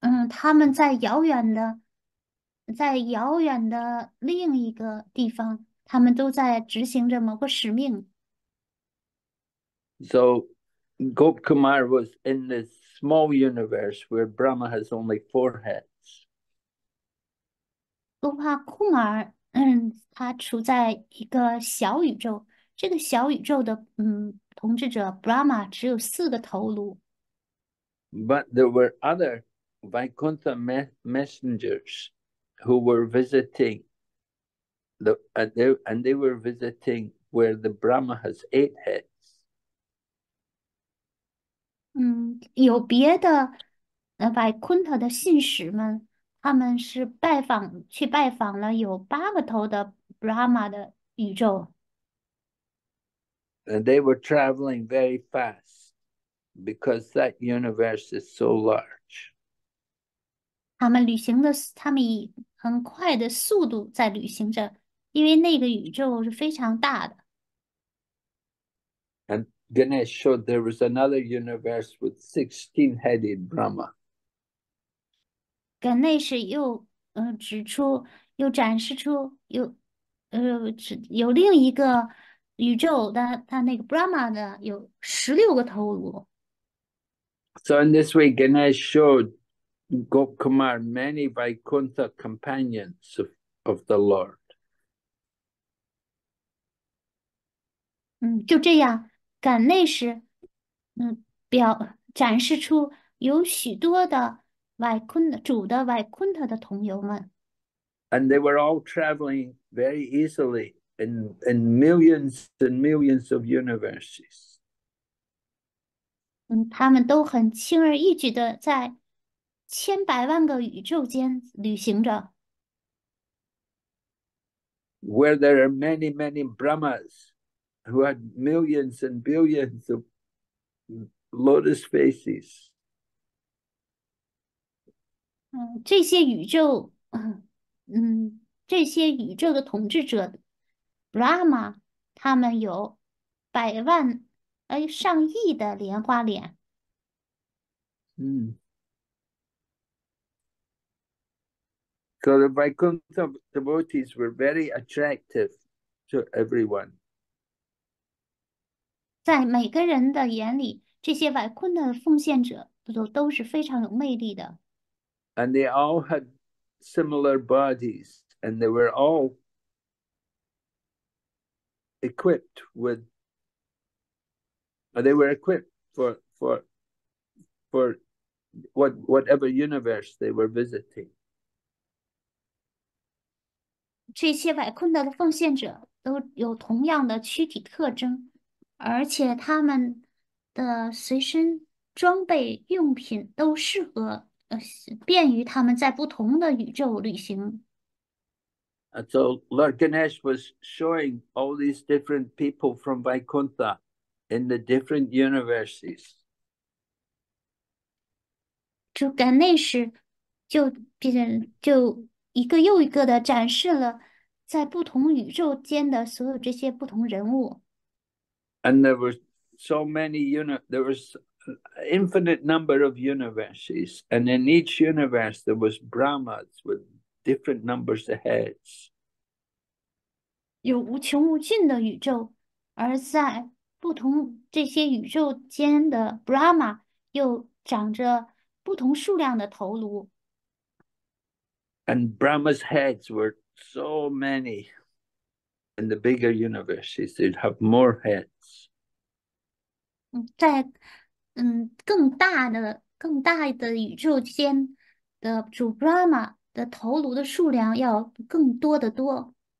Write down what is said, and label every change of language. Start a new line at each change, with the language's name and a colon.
Chinese: 他们在遥远的另一个地方，他们都在执行着某个使命。
English: So Gop Kumar was in this small universe where Brahma has only four heads.
Chinese: 话库尔，他处在一个小宇宙，这个小宇宙的统治者 Brahma 只有4个头颅。
English: But there were other Vaikuntha messengers who were visiting and they were visiting where the Brahma has eight heads.
Chinese: 有别的Vaikuntha 的信使们。他们是去拜访了有8个头的 Brahma 的宇宙。
English: And they were traveling very fast. Because that universe is so large.
Chinese: 他们以很快的速度在旅行着，因为那个宇宙是非常大的。
English: And Ganesh showed there was another universe with 16-headed Brahma.
Chinese: Ganesh 又展示出有另一个宇宙的，他那个 Brahma 的有16个头颅。
English: So in this way, Ganesh showed Gop Kumar many Vaikuntha companions of the Lord.
Chinese: 就这样，Ganesh 展示出有许多的。主的瓦昆特的同游们。
English: And they were all traveling very easily in millions and millions of universes.
Chinese: 他们都很轻而易举的在千百万个宇宙间旅行着。
English: Where there are many, many Brahmas who had millions and billions of lotus faces.
Chinese: 这些宇宙的统治者，Brahma，他们有百万，上亿的莲花脸。
English: So the Vaikuntha devotees were very attractive to everyone.
Chinese: 在每个人的眼里，这些瓦昆的奉献者都是非常有魅力的。
English: And they all had similar bodies, and they were all equipped with, or they were equipped for whatever universe they were visiting.
Chinese: 这些瓦昆德的奉献者都有同样的躯体特征，而且他们的随身装备用品都适合，便于他们在不同的宇宙旅行。
English: And so Lord Ganesh was showing all these different people from Vaikuntha in the different universes.
Chinese: 就 Ganesh 就一个又一个的展示了。在不同宇宙间的所有这些不同人物，
English: And there were so many uni there was an infinite number of universes, and in each universe there was Brahmas with different numbers of heads.
Chinese: 有无穷无尽的宇宙，而在不同这些宇宙间的 Brahma 又长着不同数量的头颅。
English: And Brahma's heads were so many in the bigger universes, they'd have more heads.
Chinese: 在更大的宇宙间的主 Brahma 的头颅的数量要更多得多。